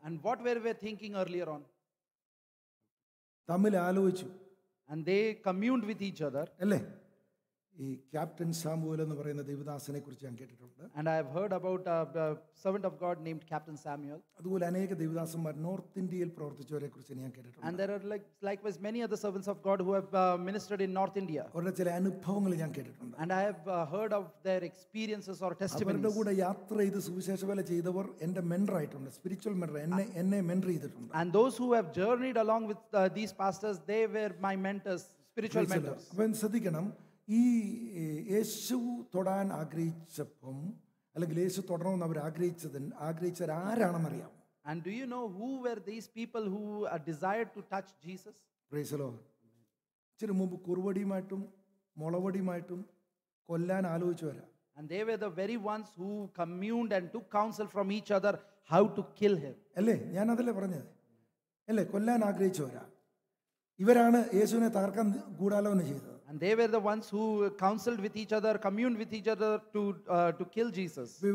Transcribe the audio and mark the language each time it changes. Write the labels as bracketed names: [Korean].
[English] And what were we thinking earlier on? [Malayalam] തമ്മിൽ ആലോചിച്ചു. [English] And they communed with each other. അല്ലേ? [Malayalam] ഈ captain Samuel എന്ന് പറയുന്ന ദൈവദാസനെ കുറിച്ച് ഞാൻ കേട്ടിട്ടുണ്ട്. [English] And I have heard about a servant of God named Captain Samuel. [Malayalam] അതുപോലെ അനേക ദൈവദാസന്മാർ നോർത്ത് ഇന്ത്യയിൽ പ്രവർത്തിച്ചവരെ കുറിച്ച് ഞാൻ കേട്ടിട്ടുണ്ട്. [English] And there are likewise many other servants of God who have ministered in North India. [Malayalam] അവരുടെ ചില അനുഭവങ്ങൾ ഞാൻ കേട്ടിട്ടുണ്ട്. [English] And I have heard of their experiences or testimonies. [Malayalam] അവരുടെ കൂടെ യാത്ര ചെയ്ത് സുവിശേഷ വേല ചെയ്തവർ എന്റെ മെന്റർ ആയിട്ടുണ്ട്. സ്പിരിച്വൽ മെന്റർ എന്നെ മെന്റർ ചെയ്തിട്ടുണ്ട്. [English] And those who have journeyed along with these pastors, they were my mentors, spiritual mentors. [Malayalam] അവൻ ശ്രദ്ധിക്കണം. ഈ യേശു തൊടാൻ ആഗ്രഹിച്ചപ്പം അല്ലെങ്കിൽ യേശു തൊടണമെന്ന് അവർ ആഗ്രഹിച്ചവരാരാണെന്നറിയാം. [English] And do you know who were these people who desired to touch Jesus? Praise the Lord. [Malayalam] ഇച്ചിരി മുമ്പ് കുറുവടിയുമായിട്ടും മുളവടിയുമായിട്ടും കൊല്ലാൻ ആലോചിച്ചവരാ. [English] And they were the very ones who communed and took counsel from each other how to kill him. [Malayalam] അല്ലേ? ഞാൻ അതല്ലേ പറഞ്ഞത്? അല്ലേ? കൊല്ലാൻ ആഗ്രഹിച്ചവരാ ഇവരാണ് യേശുവിനെ തകർക്കാൻ ഗൂഢാലോചന ചെയ്തത്. [English] And they were the ones who counseled with each other, communed with each other to kill Jesus.